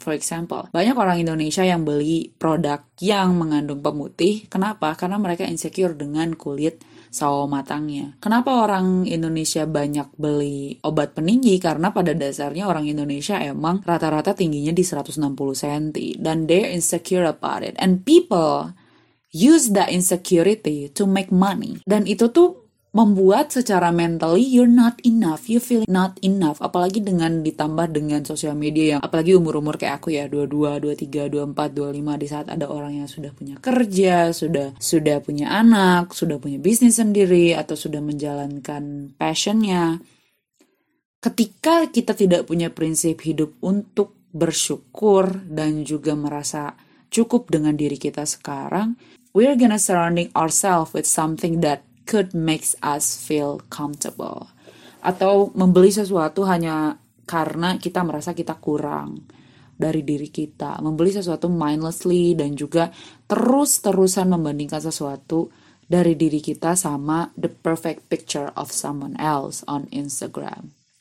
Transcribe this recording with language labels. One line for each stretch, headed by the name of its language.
English: For example,
Indonesian: banyak orang Indonesia yang beli produk yang mengandung pemutih. Kenapa? Karena mereka insecure dengan kulit sawo matangnya. Kenapa orang Indonesia banyak beli obat peninggi? Karena pada dasarnya orang Indonesia emang rata-rata tingginya di 160 cm. Dan
English: they insecure about it. And people use that insecurity to make money.
Indonesian: Dan itu tuh membuat secara
English: mentally you're not enough, you feel not enough.
Indonesian: Apalagi dengan ditambah dengan sosial media yang, apalagi umur-umur kayak aku ya, 22, 23, 24, 25, di saat ada orang yang sudah punya kerja, sudah punya anak, sudah punya bisnis sendiri, atau sudah menjalankan passionnya. Ketika kita tidak punya prinsip hidup untuk bersyukur dan juga merasa cukup dengan diri kita sekarang,
English: we're gonna surrounding ourselves with something that could makes us feel comfortable.
Indonesian: Atau membeli sesuatu hanya karena kita merasa kita kurang dari diri kita. Membeli sesuatu mindlessly dan juga terus-terusan membandingkan sesuatu dari diri kita sama
English: the perfect picture of someone else on Instagram.